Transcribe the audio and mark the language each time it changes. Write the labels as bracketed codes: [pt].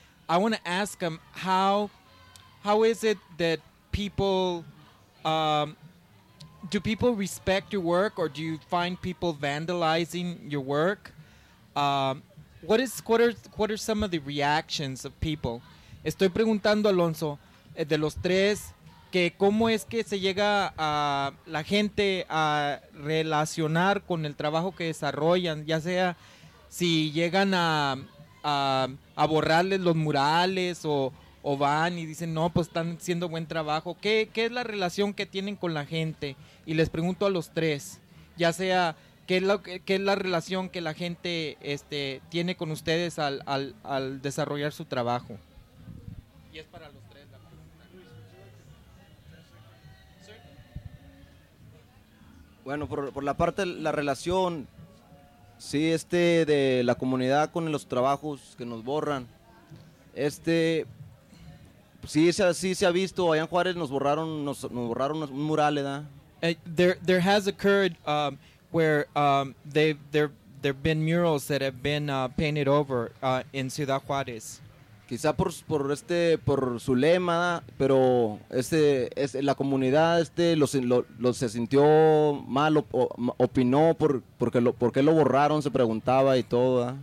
[en] I want to ask them how is it that people, do people respect your work, or do you find people vandalizing your work? What are some of the reactions of people? [es] Estoy preguntando, Alonso, de los tres, que cómo es que se llega a la gente a relacionar con el trabajo que desarrollan, ya sea si llegan a borrarles los murales o van y dicen, no, pues están haciendo buen trabajo. ¿Qué es la relación que tienen con la gente? Y les pregunto a los tres, ya sea qué es la relación que la gente tiene con ustedes al desarrollar su trabajo? Y es para los tres la pregunta. Bueno, por la parte de la relación, sí, de la comunidad con los trabajos que nos borran, sí se ha visto, allá en Juárez nos borraron un mural, ¿verdad? [en] There has occurred where there've been murals that have been painted over in Ciudad Juárez. [es] Quizá por su lema, pero la comunidad lo se sintió mal, opinó porque lo borraron, se preguntaba y todo.